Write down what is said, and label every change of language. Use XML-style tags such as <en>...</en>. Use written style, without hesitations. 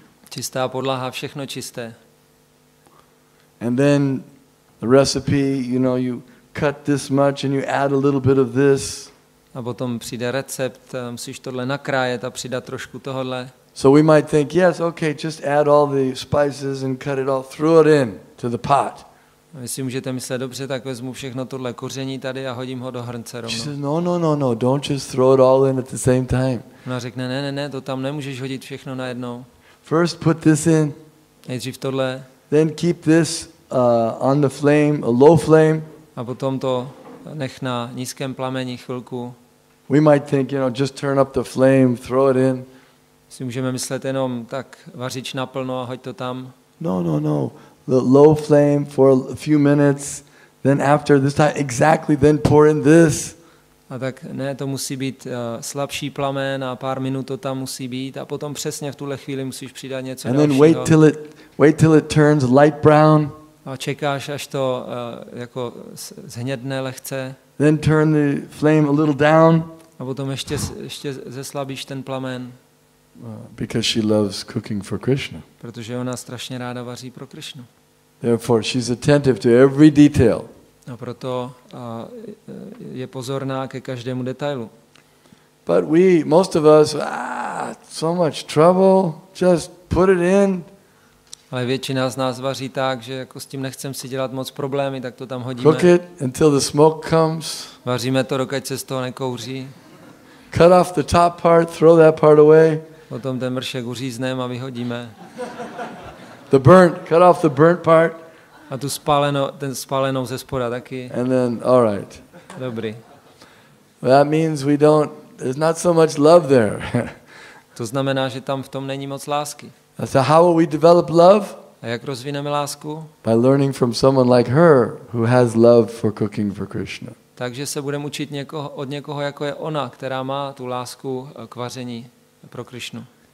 <cs>Čistá podlaha, všechno čisté.</cs> <en>And then the recipe, you know, you cut this much and you add a little bit of this.</en> <cs>A potom přijde recept, musíš tohle nakrájet a přidat trošku tohle.</cs> <en>So we might think, yes, okay, just add all the spices and cut it all, throw it in to the pot.</en> <cs>A vy si můžete myslet, dobře, tak vezmu všechno tohle koření tady a hodím ho do hrnce rovno.</cs> <en>She says, no, don't just throw it all in at the same time.</en> <cs>Ona řekne, ne, to tam nemůžeš hodit všechno najednou.</cs> <en>First put this in.</en> <cs>Nejdřív tohle.</cs> <en>Then keep this on the flame, a low flame.</en> <cs>A potom to nech na nízkém plameni chvilku.</cs> <en>We might think, just turn up the flame, throw it in.</en> <cs>Si můžeme myslet jenom tak vařič naplno a hoď to tam.</cs> <en>No. The low flame for a few minutes, then after this time exactly, then pour in this.</en> <cs>A tak ne, to musí být slabší plamen a pár minut to tam musí být a potom přesně v tuhle chvíli musíš přidat něco dalšího.</cs> <en>And then wait till it turns light brown.</en> <cs>A čekáš, až to jako zhnědne lehce.</cs> <en>Then turn the flame a little down.</en> <cs>A potom ještě zeslabíš ten plamen.</cs> <en>Because she loves cooking for Krishna.</en> <cs>Protože ona strašně ráda vaří pro Krishnu.</cs> <en>Therefore she's attentive to every detail.</en> <cs>A proto je pozorná ke každému detailu.</cs> <en>But we, most of us, so much trouble, just put it in.</en> <cs>Ale většina z nás vaří tak, že jako s tím nechcem si dělat moc problémy, tak to tam hodíme.</cs> <en>Cook it until the smoke comes.</en> <cs>Vaříme to, dokud se z toho nekouří.</cs> <en>Cut off the top part, throw that part away.</en> <cs>Potom ten mršek uřízneme a vyhodíme.</cs> <en>The burnt, cut off the burnt part.</en> <cs>A tu spálenou, ten spálenou ze spoda taky.</cs> <en>And then, all right.</en> <cs>Dobrý.</cs> <en>That means we don't, there's not so much love there.</en> <cs>To znamená, že tam v tom není moc lásky.</cs> <en>So how will we develop love?</en> <cs>A jak rozvineme lásku?</cs> <en>By learning from someone like her, who has love for cooking for Krishna.</en> <cs>Takže se budeme učit od někoho, jako je ona, která má tu lásku k vaření pro Krishnu.</cs>